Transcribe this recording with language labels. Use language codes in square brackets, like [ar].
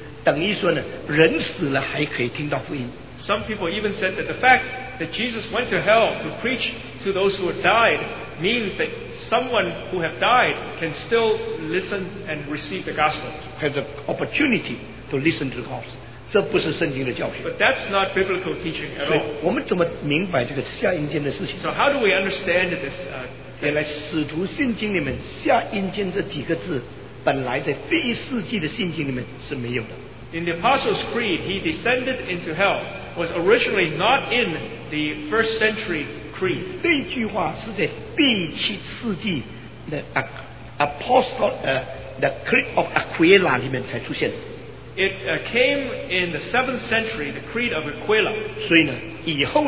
[zh] 有人甚至说呢，耶稣基督到死人地方去传福音，等于说呢，人死了还可以听到福音。 [en] Some people even said that the fact that Jesus went to hell to preach to those who had died means that someone who have died can still listen and receive the gospel. Have the opportunity to listen to the gospel. [zh] 这不是圣经的教训。 [en] But that's not biblical teaching at all. [zh] 我们怎么明白这个下阴间的事情? [en] So how do we understand this? [zh] 原来使徒信经里面下阴间这几个字本来在第一世纪的信经里面是没有的。 [en] In the Apostles' Creed, he descended into hell was originally not in the first century creed. [zh] 这句话是在第七世纪的 the Creed of Aquila 里面才出现的。 [en] It came in the 7th century, the Creed of Aquila.